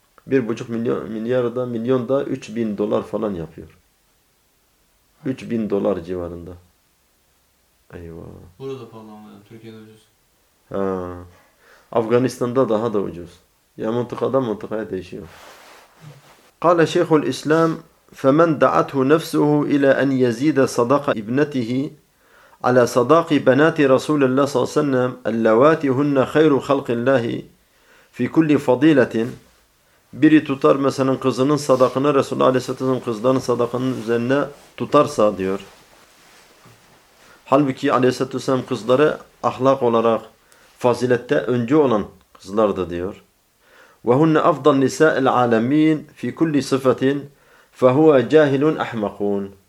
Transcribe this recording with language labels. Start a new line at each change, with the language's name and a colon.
Turkish: 1,5 milyon milyar da milyon da 3000 dolar falan yapıyor. 3000 dolar civarında. Eyvah. Burada pahalı ama Türkiye'de ucuz. Ha. Afganistan'da daha da ucuz. Ya mıntıkadan mıntıkaya değişiyor.
Arabic: Kale Şeyhul İslam فَمَنْ دَعَتْهُ نَفْسُهُ اِلَى اَنْ يَزِيدَ صَدَقَ اِبْنَتِهِ على صداق بنات رسول الله صلى الله عليه وسلم اللواتي هن خير خلق الله في كل فضيلة.
Turkish: Biri tutar mesela kızının sadakını Resulullah Aleyhisselatü Vesselam kızlarının sadakının üzerine tutarsa diyor. Halbuki Aleyhisselatü Vesselam kızları ahlak olarak fazilette önce olan kızlardı diyor.
Arabic: وَهُنَّ أَفْضَلْ نِسَاءِ الْعَالَمِينَ فِي كُلِّ صِفَةٍ فَهُوَ جَاهِلٌ أَحْمَقُونَ.